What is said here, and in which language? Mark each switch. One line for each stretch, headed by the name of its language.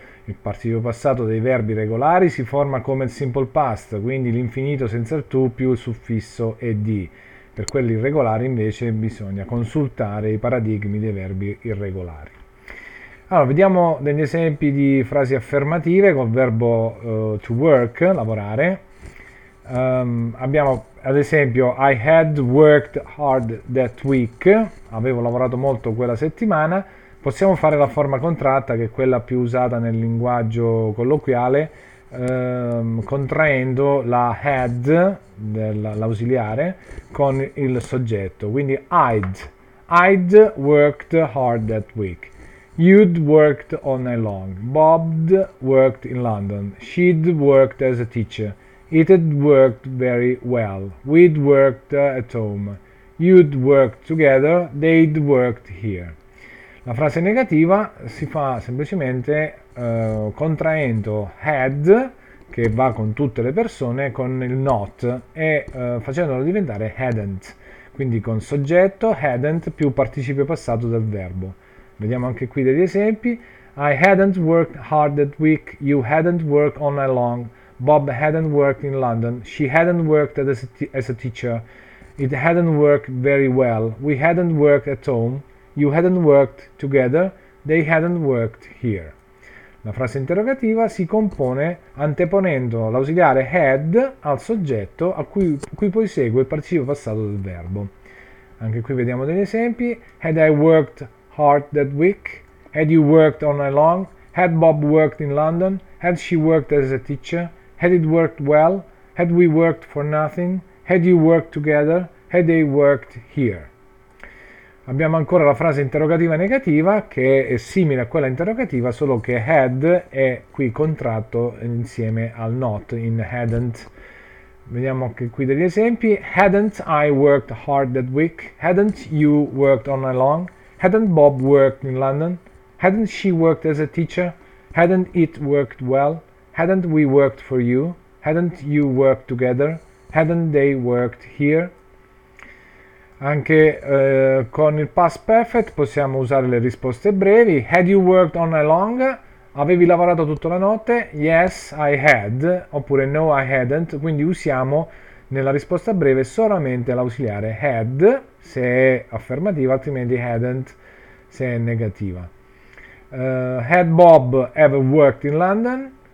Italian: Il participio passato dei verbi regolari si forma come il simple past, quindi l'infinito senza il to più il suffisso ed. Per quelli irregolari invece bisogna consultare i paradigmi dei verbi irregolari. Allora, vediamo degli esempi di frasi affermative con il verbo to work, lavorare. Abbiamo ad esempio:
English: I had worked hard that week.
Italian: Avevo lavorato molto quella settimana. Possiamo fare la forma contratta, che è quella più usata nel linguaggio colloquiale, contraendo la had dell'ausiliare con il soggetto. Quindi
English: I'd worked hard that week. You'd worked all night long. Bob'd worked in London. She'd worked as a teacher. It'd worked very well. We'd worked at home. You'd worked together. They'd worked here.
Italian: La frase negativa si fa semplicemente contraendo had, che va con tutte le persone, con il not e facendolo diventare hadn't. Quindi con soggetto, hadn't più participio passato del verbo. Vediamo anche qui degli esempi.
English: I hadn't worked hard that week. You hadn't worked all night long. Bob hadn't worked in London. She hadn't worked as a teacher. It hadn't worked very well. We hadn't worked at home. You hadn't worked together. They hadn't worked here.
Italian: La frase interrogativa si compone anteponendo l'ausiliare had al soggetto a cui poi segue il participio passato del verbo. Anche qui vediamo degli esempi.
English: Had I worked hard that week? Had you worked all night long? Had Bob worked in London? Had she worked as a teacher? Had it worked well? Had we worked for nothing? Had you worked together? Had they worked here?
Italian: Abbiamo ancora la frase interrogativa negativa, che è simile a quella interrogativa, solo che had è qui contratto insieme al not in hadn't. Vediamo anche qui degli esempi.
English: Hadn't I worked hard that week? Hadn't you worked all night long? Hadn't Bob worked in London? Hadn't she worked as a teacher? Hadn't it worked well? Hadn't we worked for you? Hadn't you worked together? Hadn't they worked here?
Italian: Anche con il past perfect possiamo usare le risposte brevi.
English: Had you worked all night long?
Italian: Avevi lavorato tutta la notte?
English: Yes, I had.
Italian: Oppure
English: no, I hadn't.
Italian: Quindi usiamo nella risposta breve solamente l'ausiliare had se è affermativa, altrimenti hadn't se è negativa.
English: Had Bob ever worked in London?